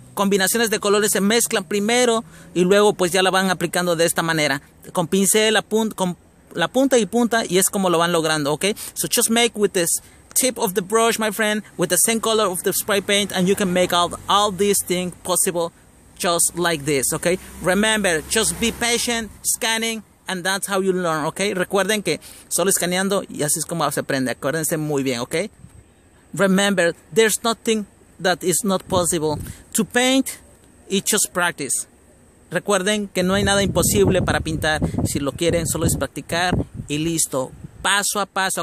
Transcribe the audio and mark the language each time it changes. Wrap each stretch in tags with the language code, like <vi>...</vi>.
<es>Combinaciones de colores se mezclan primero y luego pues ya la van aplicando de esta manera. Con pincel, con la punta, y es como lo van logrando, ok?</es> <en>So just make with this tip of the brush, my friend, with the same color of the spray paint, and you can make all these things possible just like this, ok? Remember, just be patient, scanning, and that's how you learn, ok?</en> <es>Recuerden que solo escaneando y así es como se aprende. Acuérdense muy bien, ok?</es> <en>Remember, there's nothing that is not possible. To paint, it's just practice.</en> <es>Recuerden que no hay nada imposible para pintar. Si lo quieren, solo es practicar y listo. Paso a paso.</es>